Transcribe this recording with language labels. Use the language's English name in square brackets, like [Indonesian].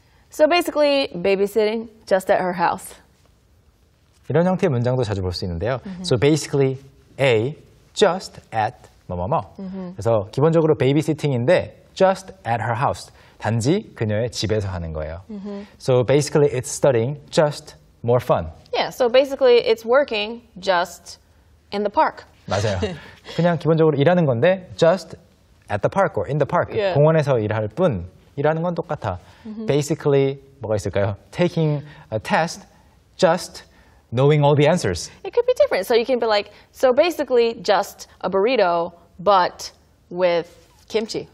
[English] So basically babysitting just at her house. [Korean] 이런 형태의 문장도 자주 볼 수 있는데요. [English] Mm-hmm. So basically A, just at 뭐뭐뭐. Mm-hmm. [Korean] 그래서 기본적으로 babysitting인데 [English] just at her house. [Korean] 단지 그녀의 집에서 하는 거예요. Mm-hmm. [English] So basically it's studying just more fun. Yeah, so basically it's working just in the park. [Korean] 맞아요. 그냥 기본적으로 일하는 건데 [English] just at the park [Korean] or in the park. [English] Yeah. [Korean] 공원에서 일할 뿐 일하는 건 똑같아. Mm-hmm. Basically 뭐가 있을까요? [English] Taking a test just knowing all the answers. It could be different. So you can be like, so basically just a burrito but with kimchi.